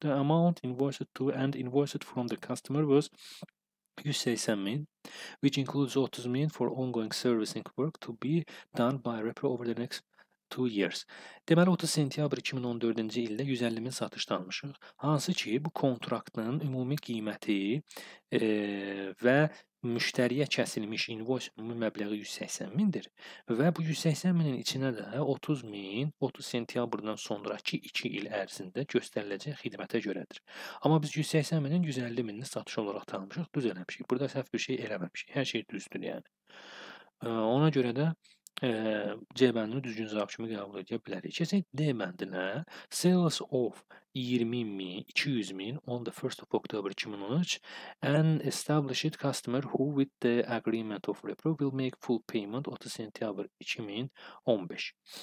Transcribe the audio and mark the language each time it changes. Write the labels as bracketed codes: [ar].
[en] The amount invoiced to and invoiced from the customer was 180 min, which includes 30 min for ongoing servicing work to be done by repro over the next 2 years. [az] Deməli, 30 sentyabr 2014-cü ildə 150 min satışlanmışıq. Hansı ki, bu kontraktın ümumi qiyməti və müştəriyə kəsilmiş invoice ümumi məbləği 180 mindir. Və bu 180 minin içinə də 30 min 30 sentyabrdan sonraki 2 il ərzində göstəriləcək xidmətə görədir. Amma biz 180 minin 150 minini satış olaraq tanımışıq, düz eləmişik. Burada səhv bir şey eləməmişik. Hər şey düzdür yəni. Ona görə də C bəndini düzgün cavab kimi qəbul edə bilərik. Keçək D bəndinə. [en] Sales of 20.200.000 on the 1st of October 2013 and established customer who with the agreement of repro will make full payment 30 [az] sentyabr [en] 2015.